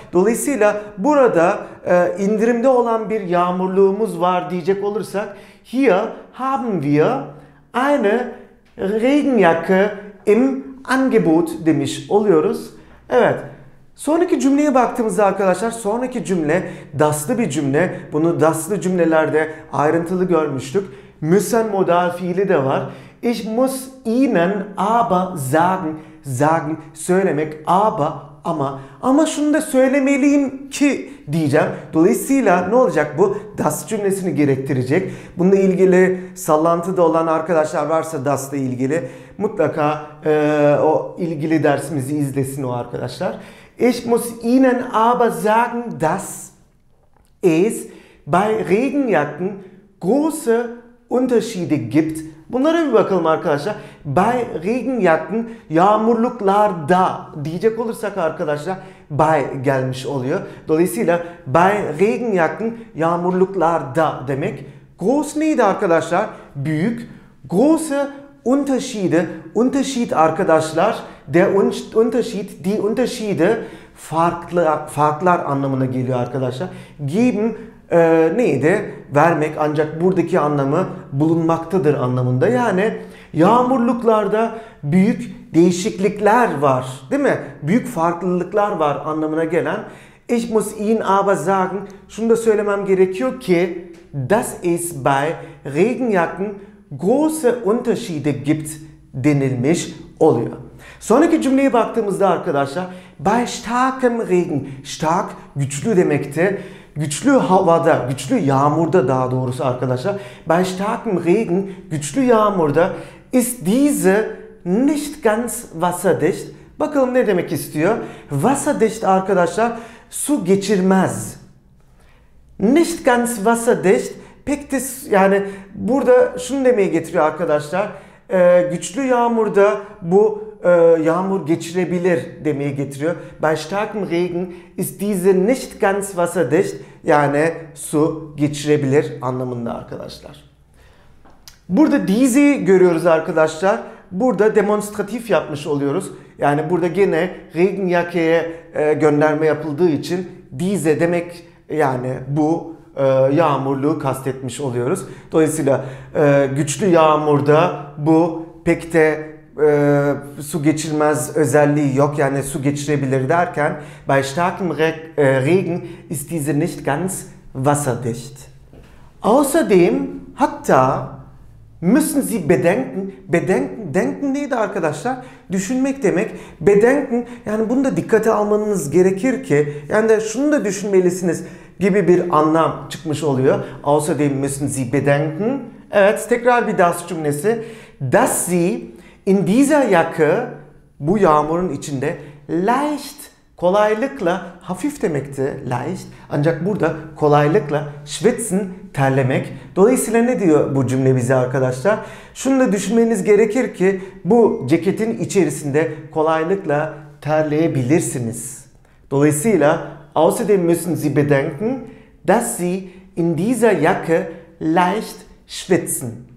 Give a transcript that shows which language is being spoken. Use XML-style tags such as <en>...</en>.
<tr>Dolayısıyla burada indirimde olan bir yağmurluğumuz var diyecek olursak</tr> <de>hier haben wir eine Regenjacke im Angebot</de> <tr>demiş oluyoruz. Evet. Sonraki cümleye baktığımızda arkadaşlar sonraki cümle daslı bir cümle. Bunu daslı cümlelerde ayrıntılı görmüştük. Müssen modal fiili de var.</tr> <de>Ich muss Ihnen aber sagen, sagen,</de> <tr>söylemek,</tr> <de>aber,</de> <tr>ama. Ama şunu da söylemeliyim ki diyeceğim. Dolayısıyla ne olacak bu? Das cümlesini gerektirecek. Bununla ilgili sallantıda olan arkadaşlar varsa das'la ilgili mutlaka o ilgili dersimizi izlesin o arkadaşlar.</tr> <de>Ich muss Ihnen aber sagen, dass es bei Regenjacken große Unterschiede gibt.</de> <tr>Bunlara bir bakalım arkadaşlar.</tr> <de>Bei Regenjacken,</de> <tr>yağmurluklarda diyecek olursak arkadaşlar bei gelmiş oluyor. Dolayısıyla bei Regenjacken, yağmurluklarda demek. Groß neydi arkadaşlar? Büyük.</tr> <de>Große Unterschiede,</de> <tr>Unterschied arkadaşlar.</tr> <de>Der Unterschied, die Unterschiede,</de> <tr>farklar anlamına geliyor arkadaşlar. Geben, neydi? Vermek, ancak buradaki anlamı bulunmaktadır anlamında. Yani yağmurluklarda büyük değişiklikler var, değil mi? Büyük farklılıklar var anlamına gelen.</tr> <de>Ich muss Ihnen aber sagen,</de> <tr>şunu da söylemem gerekiyor ki</tr> <de>das ist bei Regenjacken große Unterschiede gibt</de> <tr>denilmiş oluyor. Sonraki cümleye baktığımızda arkadaşlar</tr> <de>bei starkem Regen,</de> <tr>stark güçlü demekti. Güçlü havada, güçlü yağmurda daha doğrusu arkadaşlar.</tr> <de>Bei starkem Regen,</de> <tr>güçlü yağmurda</tr> <de>ist diese nicht ganz wasserdicht.</de> <tr>Bakalım ne demek istiyor? Wasserdicht arkadaşlar su geçirmez.</tr> <de>Nicht ganz wasserdicht</de> <tr>pek de, yani burada şunu demeye getiriyor arkadaşlar. Güçlü yağmurda bu yağmur geçirebilir demeye getiriyor.</tr> <de>Bei starkem Regen ist diese nicht ganz wasserdicht.</de> <tr>Yani su geçirebilir anlamında arkadaşlar. Burada diese görüyoruz arkadaşlar. Burada demonstratif yapmış oluyoruz. Yani burada gene Regenjacke'ye gönderme yapıldığı için diese demek yani bu yağmurluğu kastetmiş oluyoruz. Dolayısıyla güçlü yağmurda bu pek de su geçirmez özelliği yok. Yani su geçirebilir derken</tr> <de>bei starkem Regen ist diese nicht ganz wasserdicht. Außerdem</de> <tr>hatta</tr> <de>müssen Sie bedenken, denken</de> <tr>neydi arkadaşlar? Düşünmek demek. Bedenken, yani bunu da dikkate almanız gerekir ki, yani de şunu da düşünmelisiniz gibi bir anlam çıkmış oluyor.</tr> <de>Außerdem müssen Sie bedenken.</de> <tr>Evet, tekrar bir das cümlesi.</tr> <de>Dass Sie in dieser Jacke,</de> <tr>bu yağmurun içinde,</tr> <de>leicht,</de> <tr>kolaylıkla, hafif demekti,</tr> <de>leicht.</de> <tr>Ancak burada kolaylıkla schwitzen, terlemek. Dolayısıyla ne diyor bu cümle bize arkadaşlar? Şunu da düşünmeniz gerekir ki bu ceketin içerisinde kolaylıkla terleyebilirsiniz. Dolayısıyla</tr> <de>außerdem müssen Sie bedenken, dass Sie in dieser Jacke leicht schwitzen.</de>